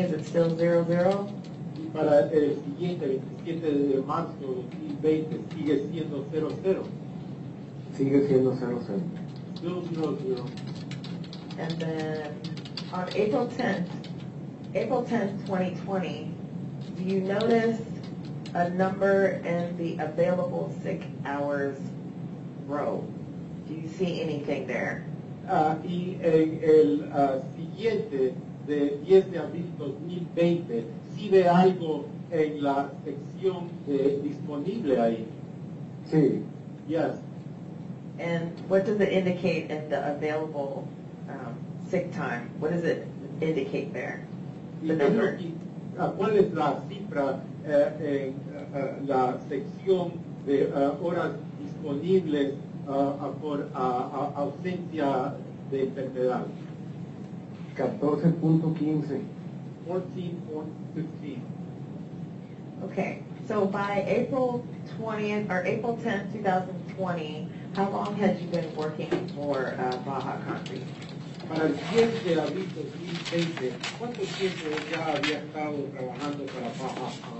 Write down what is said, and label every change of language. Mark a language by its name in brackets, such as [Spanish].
[English] is it still 0-0? [Spanish] Y para el siguiente, 27 de marzo 2020, sigue siendo 0-0. Sigue siendo 0-0. [English] Still 0-0. And then on April 10th, 2020, do you notice a number in the available sick hours row? Do you see anything there? [Spanish] Y en el siguiente de 10 de abril 2020, ¿sí ve algo en la sección disponible ahí? Sí. [English] Yes. And what does it indicate in the available sick time? What does it indicate there? [Spanish] ¿Cuál es la cifra en la sección de horas disponibles por ausencia de enfermedad? 14.15. [English] Okay, so by April 10th, 2020, how long had you been working for Baja Country? [Spanish] Para el 10 de abril 2020, ¿cuánto tiempo ya había estado trabajando para Baja?